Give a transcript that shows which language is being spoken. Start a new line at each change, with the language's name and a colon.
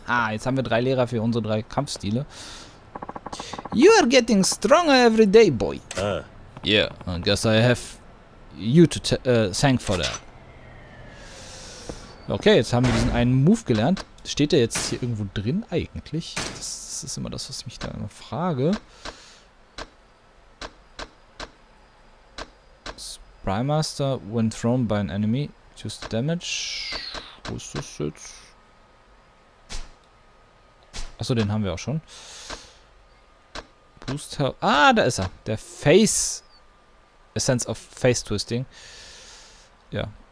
German: Jetzt haben wir drei Lehrer für unsere drei Kampfstile.
English: You are getting stronger every day, boy. Yeah, I guess I have you to thank for that.
German: Okay, jetzt haben wir diesen einen Move gelernt. Steht der jetzt hier irgendwo drin eigentlich? Das ist immer das, was ich mich da immer frage.
English: Primaster, when thrown by an enemy, just damage.
German: Wo ist das jetzt? Achso, den haben wir auch schon. Booster. Ah, da ist er. Der Face. Essence of Face Twisting. Ja.